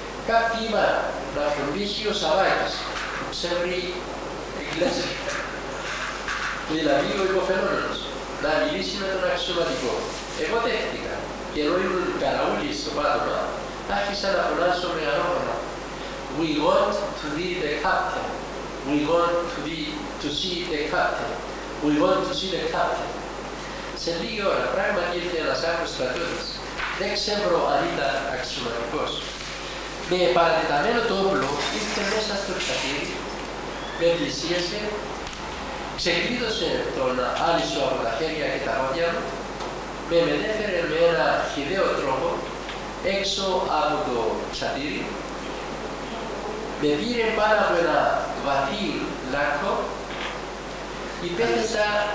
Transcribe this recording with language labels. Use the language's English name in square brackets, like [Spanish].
[Greek] Κάποιοι είπαν να φροντίσει ο Σαββάκης, που ξέρει γλέζι, δηλαδή ο υποφαινόμενος, να μιλήσει με τον αξιωματικό. Εγώ δέχτηκα και ενώ ήμουν καραούλι στο πάτωμα, άρχισα να φωνάζω με ανώφωνα. [English] We want to be the captain. We want to see the captain. We want to see the captain. [Greek] Σε λίγη ώρα, πράγματι ήρθε ένας άλλος στρατιώτης. Δεν ξέρω αν ήταν αξιωματικός. Με παρατεταμένο το όπλο ήρθε μέσα στο τσατήρι, με πλησίασε, ξεκλείδωσε τον άλυσο από τα χέρια και τα πόδια μου, με μετέφερε με ένα χειδαίο τρόπο έξω από το τσατήρι, με πήρε πάνω από ένα βαθύ λάκκο, υπέθεσα...